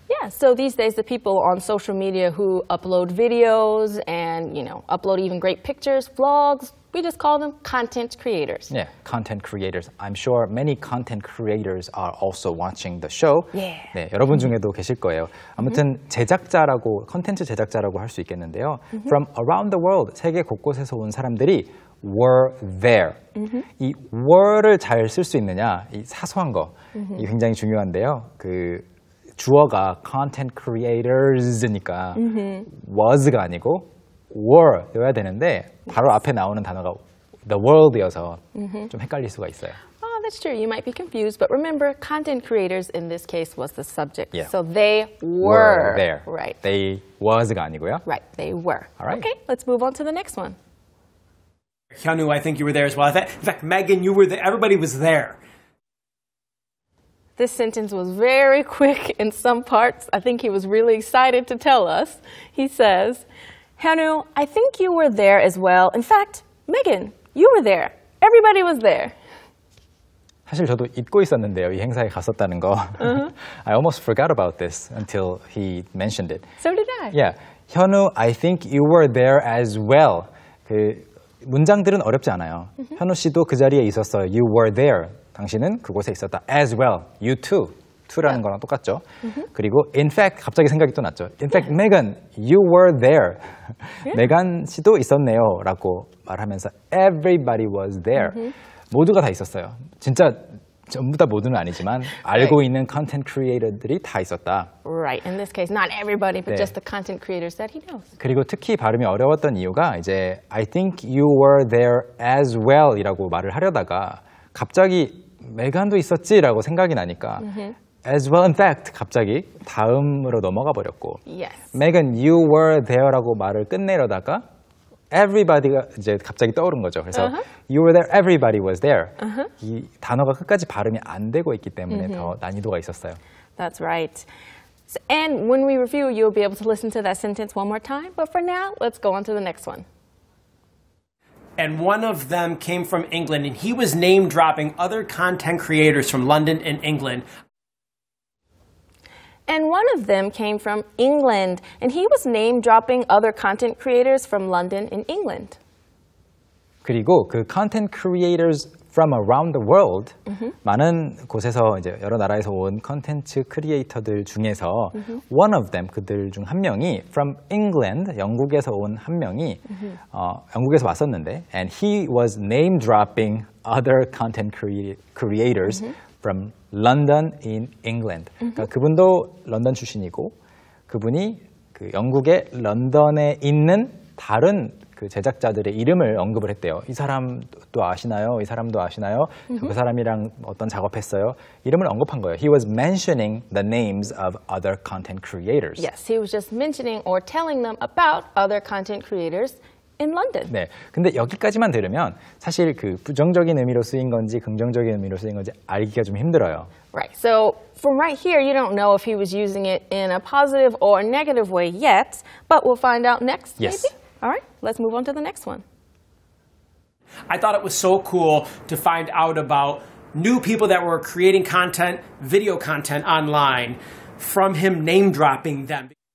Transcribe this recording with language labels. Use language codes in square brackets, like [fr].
[en] Yeah, so these days the people on social media who upload videos and, you know, upload even great pictures, vlogs, we just call them content creators. Yeah, content creators. I'm sure many content creators are also watching the show. Yeah. [ko] 네, 여러분 중에도 계실 거예요. 아무튼 mm-hmm. 제작자라고, 콘텐츠 제작자라고 할 수 있겠는데요. [en] Mm-hmm. From around the world, [ko] 세계 곳곳에서 온 사람들이 [en] were there. Mm-hmm. [ko] 이 were를 잘 쓸 수 있느냐, 이 사소한 거, mm-hmm. 이 굉장히 중요한데요. 그 주어가 content creators니까 mm-hmm. was가 아니고 were여야 되는데 바로 yes. 앞에 나오는 단어가 the world이어서 mm-hmm. 좀 헷갈릴 수가 있어요. [en] Oh, that's true. You might be confused, but remember, content creators in this case was the subject. Yeah. So they were there. Right. They was [ko] 가 아니고요. [en] Right. They were. All right. Okay. Let's move on to the next one. Hyunwoo, I think you were there as well. In fact, Megan, you were there. Everybody was there. This sentence was very quick in some parts. I think he was really excited to tell us. He says, Hyunwoo, I think you were there as well. In fact, Megan, you were there. Everybody was there. [ko] 사실 저도 잊고 있었는데요, 이 행사에 갔었다는 거. Uh-huh. [en] I almost forgot about this until he mentioned it. So did I. Yeah. Hyunwoo, I think you were there as well. [ko] 그 문장들은 어렵지 않아요. Mm-hmm. 현우 씨도 그 자리에 있었어요. [en] You were there. [ko] 당신은 그곳에 있었다. [en] As well. You too. To라는 yeah. [ko] 거랑 똑같죠. [en] Mm-hmm. [ko] 그리고 [en] in fact, [ko] 갑자기 생각이 또 났죠. [en] In fact, yeah. Megan, you were there. Yeah. [ko] Megan 씨도 있었네요. 라고 말하면서 [en] everybody was there. [ko] Mm-hmm. 모두가 다 있었어요. 진짜 전부 다 모두는 아니지만 알고 right. 있는 content creator들이 다 있었다. [en] Right. In this case, not everybody, but 네. just the content creators that he knows. [ko] 그리고 특히 발음이 어려웠던 이유가 이제 [en] I think you were there as well [ko] 이라고 말을 하려다가 갑자기 메간도 있었지 라고 생각이 나니까 mm-hmm. [en] as well, in fact, [ko] 갑자기 다음으로 넘어가 버렸고 메간, [en] yes. you were there [ko] 라고 말을 끝내려다가 Everybody가 이제 갑자기 떠오른 거죠. 그래서 uh-huh. [en] you were there, everybody was there. Uh-huh. [ko] 이 단어가 끝까지 발음이 안 되고 있기 때문에 mm-hmm. 더 난이도가 있었어요. [en] That's right. So, and when we review, you'll be able to listen to that sentence one more time. But for now, let's go on to the next one. And one of them came from England, and he was name-dropping other content creators from London and England. And one of them came from England, and he was name-dropping other content creators from London in England. [ko] 그리고 그 [en] content creators from around the world, mm-hmm. [ko] 많은 곳에서 이제 여러 나라에서 온 콘텐츠 크리에이터들 중에서 mm-hmm. [en] one of them, [ko] 그들 중 한 명이 [en] from England, [ko] 영국에서 온 한 명이 mm-hmm. 영국에서 왔었는데 [en] and he was name-dropping other content creators mm-hmm. from London in England. Mm-hmm. [ko] 그러니까 그분도 런던 출신이고 그분이 그 영국의 런던에 있는 다른 그 제작자들의 이름을 언급을 했대요. 이 사람도 아시나요? 이 사람도 아시나요? Mm-hmm. 그 사람이랑 어떤 작업했어요? 이름을 언급한 거예요. [en] He was mentioning the names of other content creators. Yes, he was just mentioning or telling them about other content creators in London. [ko] 네, 근데 여기까지만 들으면 사실 그 부정적인 의미로 쓰인 건지 긍정적인 의미로 쓰인 건지 알기가 좀 힘들어요. [en] Right. So from right here, you don't know if he was using it in a positive or negative way yet, but we'll find out next. Yes. Maybe? All right. Let's move on to the next one. I thought it was so cool to find out about new people that were creating content, video content online, from him name dropping them.